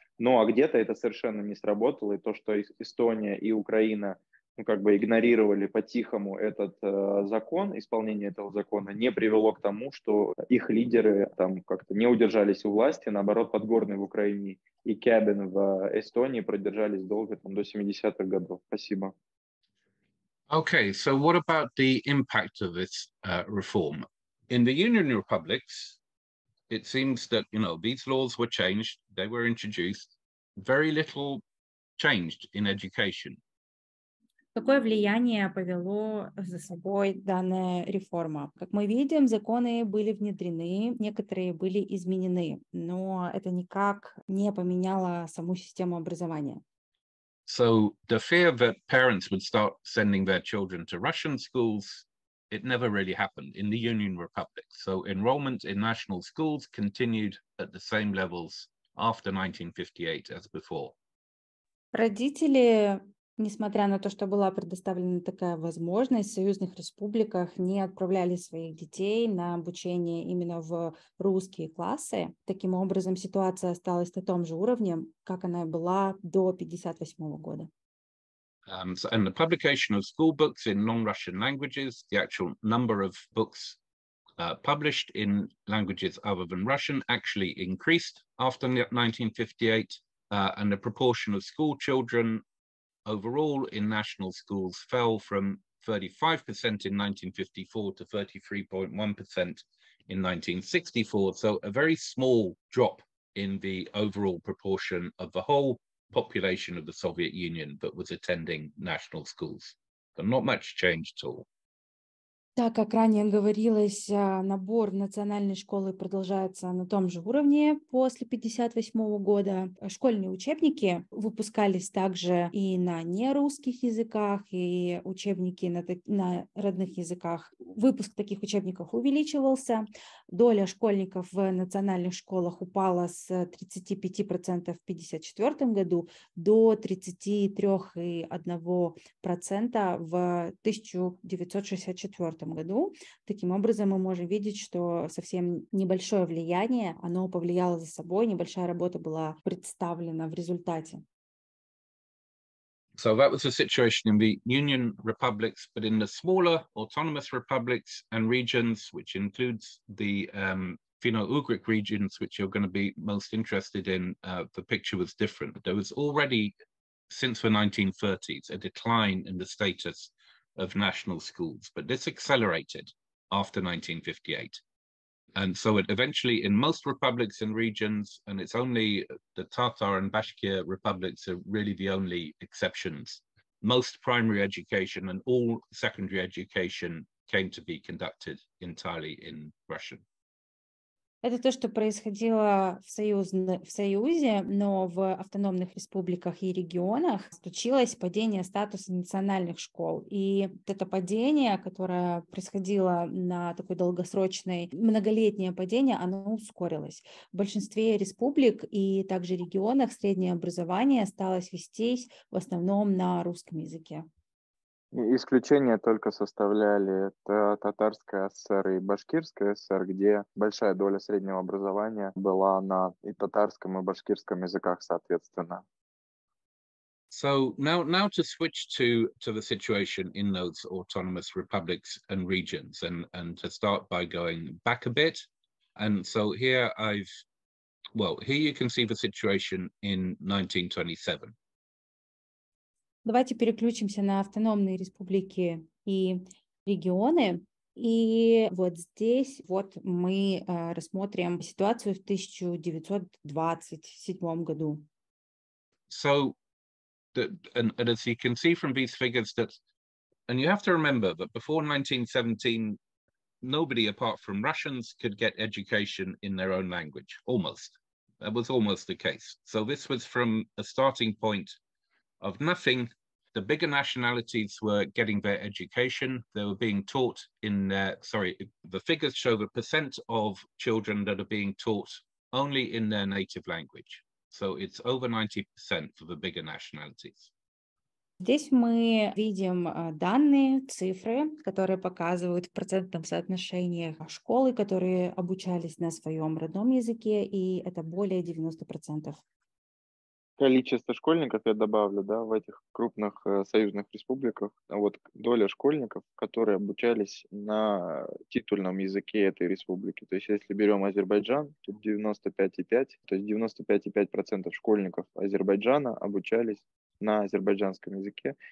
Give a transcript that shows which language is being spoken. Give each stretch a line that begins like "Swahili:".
Russian: Ну а где-то это совершенно не сработало, и то, что Эстония и Украина ну, как бы игнорировали по-тихому этот закон, исполнение этого закона, не привело к тому, что их лидеры там как-то не удержались у власти, наоборот, Подгорный в Украине и Кебин в Эстонии продержались долго, там, до 70-х годов. Спасибо.
English: Okay, so what about the impact of this reform? In the Union Republics, it seems that, you know, these laws were changed, they were introduced, very little changed in education.
Russian: Какое влияние повело за собой данная реформа? Как мы видим, законы были внедрены, некоторые были изменены, но это никак не поменяло саму систему образования.
English: So the fear that parents would start sending their children to Russian schools, it never really happened in the Union Republic. So enrollment in national schools continued at the same levels after 1958 as before.
Russian: Родители, несмотря на то, что была предоставлена такая возможность, в союзных республиках не отправляли своих детей на обучение именно в русские классы. Таким образом, ситуация осталась на том же уровне, как она и была до 1958 года.
English: And the publication of school books in non-Russian languages, the actual number of books published in languages other than Russian actually increased after 1958, and the proportion of school children overall in national schools fell from 35% in 1954 to 33.1% in 1964. So a very small drop in the overall proportion of the whole population of the Soviet Union that was attending national schools, but not much change at all.
Russian: Так как ранее говорилось, набор национальной школы продолжается на том же уровне после 58 года. Школьные учебники выпускались также и на нерусских языках, и учебники на родных языках. Выпуск таких учебников увеличивался. Доля школьников в национальных школах упала с 35% в 54 году до 33,1% в 1964 году. Таким образом, мы можем видеть, что совсем небольшое влияние, оно повлияло за собой, небольшая работа была представлена в результате.
English: So that was the situation in the Union republics, but in the smaller autonomous republics and regions, which includes the Finno-Ugric regions, which you're going to be most interested in, the picture was different. There was already, since the 1930s, a decline in the status of national schools, but this accelerated after 1958. And so it eventually, in most republics and regions, and it's only the Tatar and Bashkir republics are really the only exceptions, most primary education and all secondary education came to be conducted entirely in Russian.
Russian: Это то, что происходило в Союзе, но в автономных республиках и регионах случилось падение статуса национальных школ. И это падение, которое происходило на такой долгосрочной, многолетнее падение, оно ускорилось. В большинстве республик и также регионах среднее образование осталось вестись в основном на русском языке. Исключение только составляли Татарская ССР и Башкирская ССР, где большая доля среднего образования была на и татарском, и башкирском языках, соответственно.
English: So now to switch to the situation in those autonomous republics and regions, and to start by going back a bit. And so here I've, well, here you can see the situation in 1927.
Russian: Давайте переключимся на автономные республики и регионы. И вот здесь вот мы рассмотрим ситуацию в 1927 году.
English: So, and as you can see from these figures, that, and you have to remember that before 1917, nobody apart from Russians could get education in their own language, almost. That was almost the case. So this was from a starting point of nothing. The bigger nationalities were getting their education. They were being taught in their, sorry, the figures show the percent of children that are being taught only in their native language. So it's over 90% for the bigger nationalities.
Russian: Здесь мы видим данные, цифры, которые показывают в процентном соотношении школы, которые обучались на своем родном языке, и это более 90%. Количество школьников, я добавлю, да, в этих крупных союзных республиках, вот доля школьников, которые обучались на титульном языке этой республики, то есть если берем Азербайджан, тут 95,5, то есть 95,5% школьников Азербайджана обучались на азербайджанском языке.